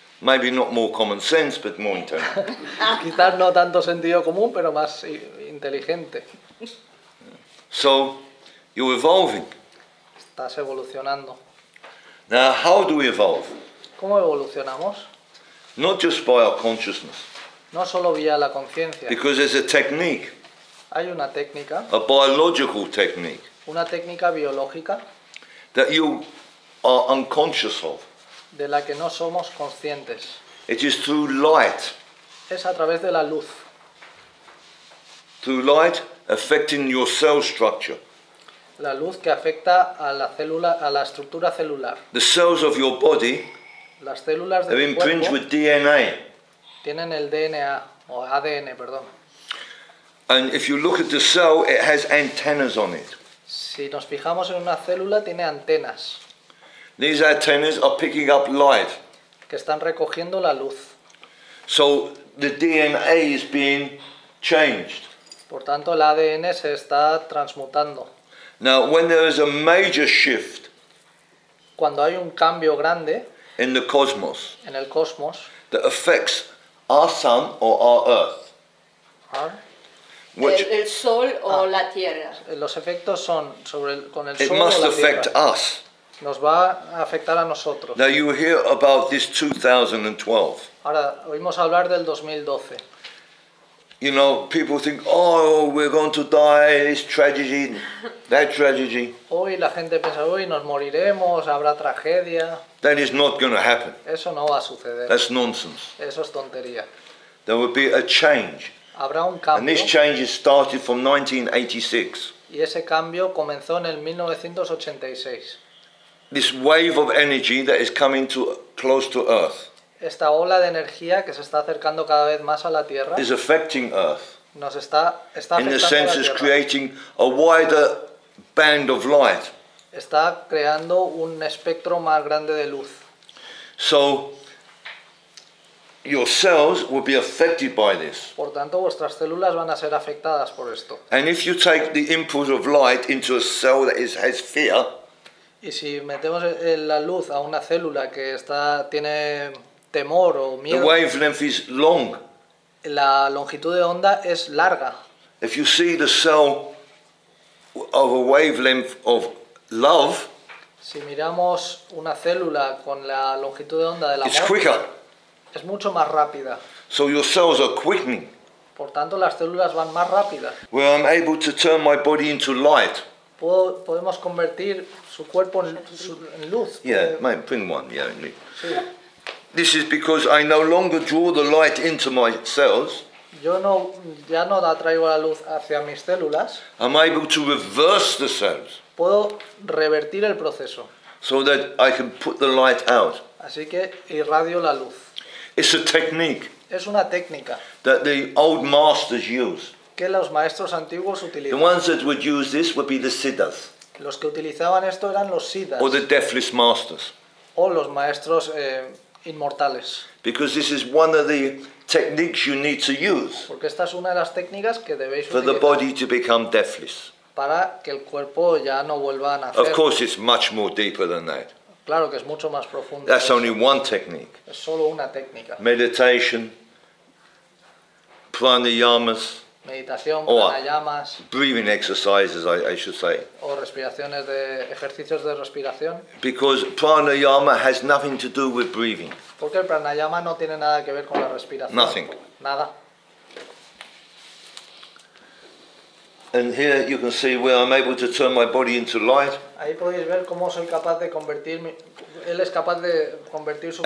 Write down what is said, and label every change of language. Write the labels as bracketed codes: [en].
[en] Maybe not more common sense, but more intelligent. [es] Quizás no tanto sentido común, pero más inteligente. [en] So, you're evolving. [es] Estás evolucionando. [en] Now, how do we evolve? [es] ¿Cómo evolucionamos? [en] Not just by our consciousness. [es] No solo vía la conciencia. [en] Because there's a technique. [es] Hay una técnica. [en] A biological technique. [es] Una técnica biológica. [en] That you are unconscious of. [es] De la que no somos conscientes. [en] It is through light. [es] Es a través de la luz. [en] Through light affecting your cell structure. [es] La luz que afecta a la célula, a la estructura celular. [en] The cells of your body. [es] Las células de tu cuerpo. [en] Imprint with DNA. [es] Tienen el DNA o ADN, perdón. [en] And if you look at the cell, it has antennas on it. [es] Si nos fijamos en una célula, tiene antenas. [en] These antennas are picking up light. [es] Que están recogiendo la luz. [en] So the DNA is being changed. [es] Por tanto, el ADN se está transmutando. [en] Now, when there is a major shift, [es] cuando hay un cambio grande [en] in the cosmos, [es] en el cosmos, [en] that affects our sun or our earth, [es] el sol o la tierra, los efectos son sobre el, con el [en] it [es] sol [en] must [es] o la [en] affect [es] tierra. [en] Us. [es] Nos va a afectar a nosotros. [en] Now you hear about this 2012. [es] Ahora oímos hablar del 2012. [en] You know, people think, oh, we're going to die, it's tragedy, that tragedy. [es] Hoy la gente piensa, hoy nos moriremos, habrá tragedia. [en] That is not going to happen. [es] Eso no va a suceder. [en] That's nonsense. [es] Eso es tontería. [en] There will be a change. [es] Habrá un cambio. [en] And this change is started from 1986. [es] Y ese cambio comenzó en el 1986. [en] This wave of energy that is coming to close to Earth. [es] Esta ola de energía que se está acercando cada vez más a la Tierra [en] is affecting Earth. [es] Nos está afectando a la Tierra. [en] It's creating a wider band of light. [es] Está creando un espectro más grande de luz. [en] So your cells will be affected by this. [es] Por tanto, vuestras células van a ser afectadas por esto. [en] And if you take the input of light into a cell that has fear, [es] y si metemos la luz a una célula que está tiene temor o miedo. [en] The wavelength is long. [es] La longitud de onda es larga. [en] If you see the cell of a wavelength of love, [es] si miramos una célula con la longitud de onda del amor, [en] it's quicker. [es] Es mucho más rápida. [en] So your cells are quickening. [es] Por tanto, las células van más rápidas. [en] Well, I'm able to turn my body into light. [es] Podemos convertir su cuerpo en luz. [en] Yeah, bring one. Yeah, in luz. [es] Sí. [en] This is because I no longer draw the light into my cells. [es] Yo no, ya no atraigo la luz hacia mis células. [en] I'm able to reverse the cells. [es] Puedo revertir el proceso. [en] So that I can put the light out. [es] Así que irradio la luz. [en] It's a technique. [es] Es una técnica. [en] That the old masters use. [es] Que los maestros antiguos utilizaban. [en] The ones that would use this would be the siddhas. [es] Los que utilizaban esto eran los siddhas. [en] Or the deathless masters. [es] O los maestros inmortales. [en] Because this is one of the techniques you need to use. [es] Porque esta es una de las técnicas que debéis utilizar. [en] For the body to become deathless. [es] Para que el cuerpo ya no vuelva a nacer. [en] Of course, it's much more deeper than that. [es] Claro que es mucho más profundo. [en] That's only one technique. [es] Es solo una técnica. [en] Meditation, pranayamas. [es] Meditación, pranayamas. [en] Breathing exercises, I should say. [es] O respiraciones de ejercicios de respiración. [en] Because pranayama has nothing to do with breathing. [es] Porque el pranayama no tiene nada que ver con la respiración. [en] Nothing. [es] Nada. [en] And here you can see where I'm able to turn my body into light. [es] Ahí podéis ver cómo soy capaz de convertir mi, él es capaz de convertir su